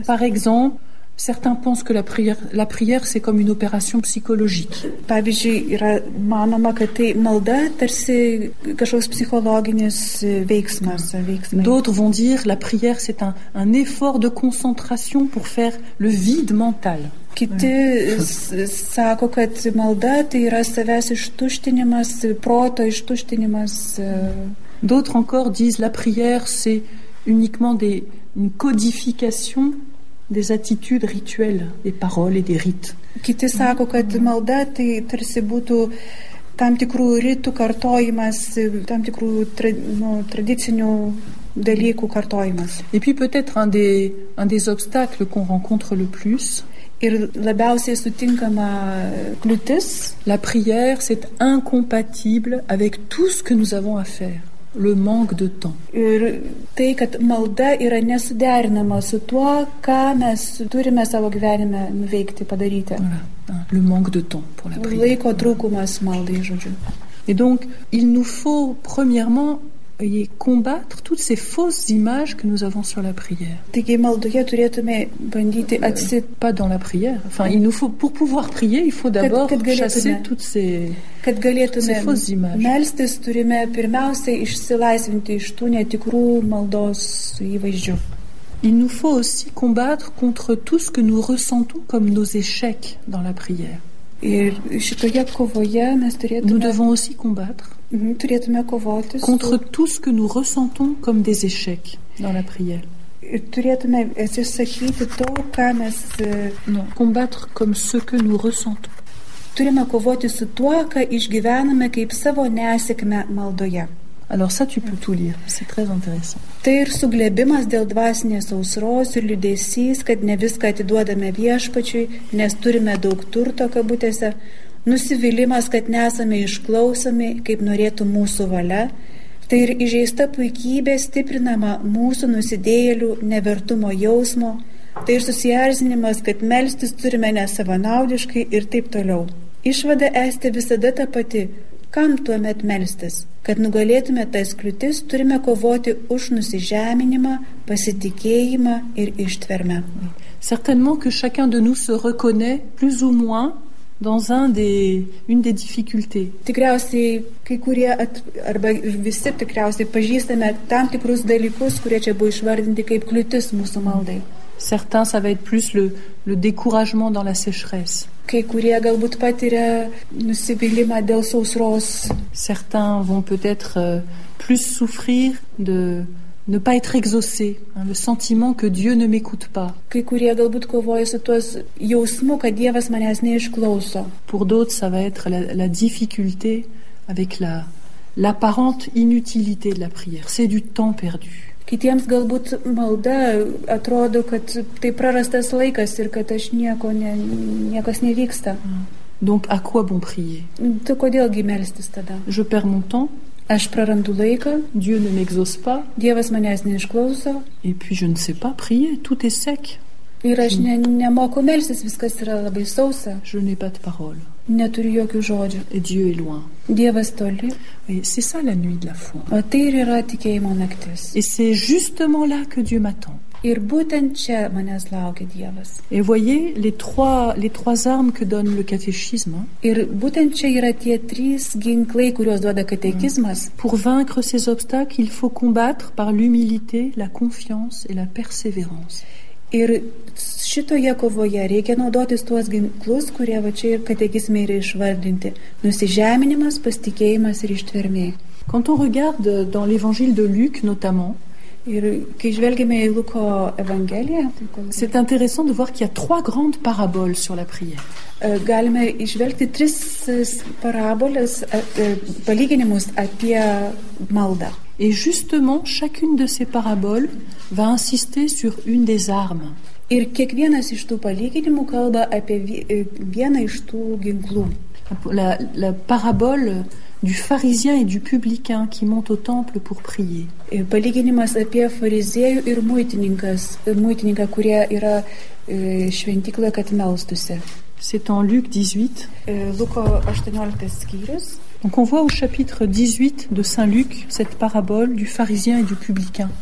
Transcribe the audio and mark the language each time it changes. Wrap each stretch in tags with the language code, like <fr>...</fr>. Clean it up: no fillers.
<fr>Par exemple, certains pensent que la prière c'est comme une opération psychologique.</fr> <lt>Pavyzdžiui, yra manoma, kad tai malda tarsi kažkoks psichologinis veiksmas.</lt> <fr>D'autres vont dire la prière c'est un effort de concentration pour faire le vide mental.</fr> <lt>Kiti sako, kad malda tai yra savęs ištuštinimas, proto ištuštinimas.</lt> <fr>D'autres encore disent la prière c'est uniquement une codification des attitudes rituelles, des paroles et des rites.</fr> <lt>Kiti sako, kad malda tai tarsi būtų tam tikrų ritų kartojimas, tam tikrų tradicinių dalykų kartojimas.</lt> <fr>Et puis peut-être un des obstacles qu'on rencontre le plus.</fr> <lt>Ir labiausiai sutinkama kliūtis.</lt> <fr>La prière c'est incompatible avec tout ce que nous avons à faire. Le manque de temps.</fr> <lt>Ir tai, kad malda yra nesuderinama su tuo, ką mes turime savo gyvenime nuveikti, padaryti.</lt> <fr>Voilà. Le manque de temps pour la prière.</fr> <lt>Laiko trūkumas maldai, žodžiu.</lt> <fr>Et donc, il nous faut premièrement combattre toutes ces fausses images que nous avons sur la prière.</fr> <lt>Taigi, maldoje turėtume bandyti atsit...</lt> <fr>Pas dans la prière. Enfin, il nous faut, pour pouvoir prier, il faut d'abord chasser toutes ces...</fr> <lt>Kad galėtume melstis, turime pirmiausiai išsilaisvinti iš tų netikrų maldos įvaizdžių.</lt> <fr>Il nous faut aussi combattre contre tout ce que nous ressentons comme nos échecs dans la prière.</fr> <lt>Ir šitoje kovoje mes turėtume...</lt> <fr>Nous devons aussi combattre</fr> <lt>turėtume kovoti</lt> <fr>contre tout ce que nous ressentons comme des échecs dans la prière.</fr> <lt>Ir turėtume atsisakyti to, ką mes...</lt> <fr>Non, combattre comme ce que nous ressentons.</fr> <lt>Turime kovoti su tuo, ką išgyvename kaip savo nesėkmę maldoje.</lt> <fr>Alors ça tu peux tout lire, c'est très intéressant.</fr> <lt>Tai ir suglebimas dėl dvasinės ausros ir liudesys, kad ne viską atiduodame viešpačiui, nes turime daug turto kabutėse, nusivylimas, kad nesame išklausomi, kaip norėtų mūsų valia, Tai ir įžeista puikybė stiprinama mūsų nusidėjėlių nevertumo jausmo, tai ir susierzinimas, kad melstis turime nesavanaudiškai ir taip toliau. Išvada esti visada ta pati, kam tuomet melstis? Kad nugalėtume tas kliūtis, turime kovoti už nusižeminimą, pasitikėjimą ir ištvermę.</lt> <fr>Certainement que chacun de nous se reconnaît plus ou moins dans une des difficultés.</fr> <lt>Tikriausiai kai kurie arba visi tikriausiai pažįstame tam tikrus dalykus, kurie čia buvo išvardinti kaip kliūtis mūsų maldai.</lt> <fr>Certains ça va être plus le découragement dans la sécheresse.</fr> <lt>Kai kurie galbūt patiria nusivylimą dėl sausros.</lt> <fr>Certains vont peut-être plus souffrir de ne pas être exaucé, le sentiment que Dieu ne m'écoute pas.</fr> <lt>Kai kurie galbūt kovoja su tuos jausmu, kad Dievas manęs neišklauso.</lt> <fr>Pour d'autres, ça va être la difficulté avec l'apparente inutilité de la prière. C'est du temps perdu.</fr> <lt>Kitiems galbūt malda atrodo, kad tai prarastas laikas ir kad aš niekas nevyksta.</lt> <fr>Donc à quoi bon prier?</fr> <lt>Tu kodėlgi melstis tada?</lt> <fr>Je perds mon temps.</fr> <lt>Aš prarandu laiką.</lt> <fr>Dieu ne m'exauce pas.</fr> <lt>Dievas manęs neišklauso.</lt> <fr>Et puis je ne sais pas prier, tout est sec.</fr> <lt>Ir aš nemoku melstis, viskas yra labai sausa.</lt> <fr>Je n'ai pas de parole.</fr> <lt>Neturiu jokių žodžių.</lt> <fr>Et Dieu est loin.</fr> <lt>Dievas toli.</lt> <fr>Et c'est ça la nuit de la foi.</fr> <lt>O tai ir yra tikėjimo naktis.</lt> <fr>Et c'est justement là que Dieu m'attend.</fr> <lt>Ir būtent čia manęs laukia Dievas.</lt> <fr>Et voyez les trois armes que donne le catéchisme.</fr> <lt>Ir būtent čia yra tie trys ginklai, kuriuos duoda katekizmas.</lt> <fr>Pour vaincre ces obstacles, il faut combattre par l'humilité, la confiance et la persévérance.</fr> <lt>Ir šitoje kovoje reikia naudotis tuos ginklus, kurie va čia ir katekizme yra išvardinti. Nusižeminimas, pasitikėjimas ir ištvermė.</lt> <fr>Quand on regarde dans l'évangile de Luc notamment,</fr> <lt>ir kai žvelgime į Luko evangeliją, tai</lt> <fr>c'est intéressant de voir qu'il y a trois grandes paraboles sur la prière.</fr> <lt>Galime išvelgti tris paraboles, palyginimus apie maldą.</lt> <fr>Et justement, chacune de ces paraboles va insister sur une des armes.</fr> <lt>Ir kiekvienas iš tų palyginimų kalba apie vieną iš tų ginklų.</lt> <fr>La parabole du pharisien et du publicain qui monte au temple pour prier.</fr> <lt>Ir palyginimas apie fariziejų ir muitininką, kurie yra šventykloje, kad melstųsi.</lt> <fr>C'est en Luc 18.</fr> <lt>Luko 18 skyrius.</lt> <fr>Donc on voit au chapitre 18 de Saint Luc cette parabole du pharisien et du publicain.</fr>